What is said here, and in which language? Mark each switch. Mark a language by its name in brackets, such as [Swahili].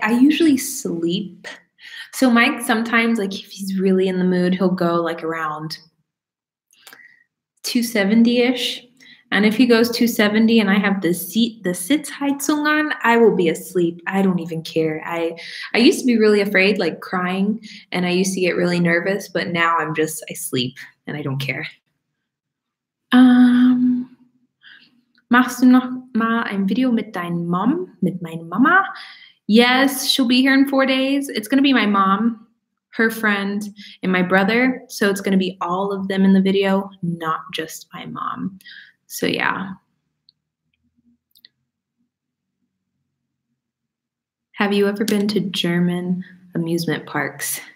[English] I usually sleep. So Mike, sometimes, like, if he's really in the mood, he'll go, like, around 270-ish. And if he goes 270 and I have the Sitzheizung on, I will be asleep. I don't even care. I used to be really afraid, like crying, and I used to get really nervous, but now I sleep and I don't care. [German] Machst du noch mal ein Video mit deinem Mom, mit meiner Mama? [English] Yes, she'll be here in 4 days. It's going to be my mom, her friend, and my brother. So it's going to be all of them in the video, not just my mom. So, yeah. Have you ever been to German amusement parks?